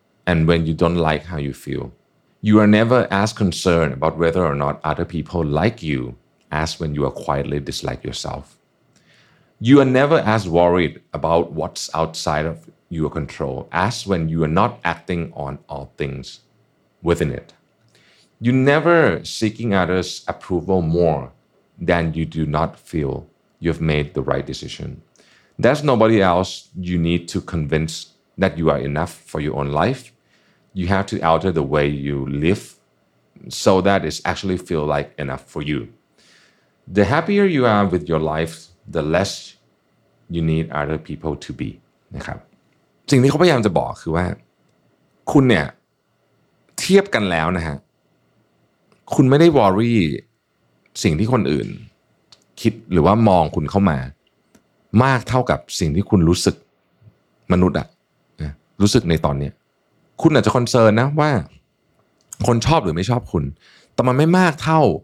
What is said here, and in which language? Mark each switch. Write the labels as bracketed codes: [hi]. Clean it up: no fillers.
[en] and when you don't like how you feel you are never as concerned about whether or not other people like you as when you are quietly dislike yourself you are never as worried about what's outside of your control as when you are not acting on all things within itYou never seeking others' approval more than you do not feel you've made the right decision. There's nobody else you need to convince that you are enough for your own life. you have to alter the way you live so that it actually feel like enough for you. The happier you are with your life, the less you need other people to be. [th] นะครับสิ่งที่เขาพยายามจะบอกคือว่าคุณเนี่ยเทียบกันแล้วนะฮะคุณไม่ได้วอรี่สิ่งที่คนอื่นคิดหรือว่ามองคุณเข้ามามากเท่ากับสิ่งที่คุณรู้สึกมนุษย์อะรู้สึกในตอนนี้คุณอาจจะคอนเซิร์นนะว่าคนชอบหรือไม่ชอบคุณแต่มันไม่มากเท่า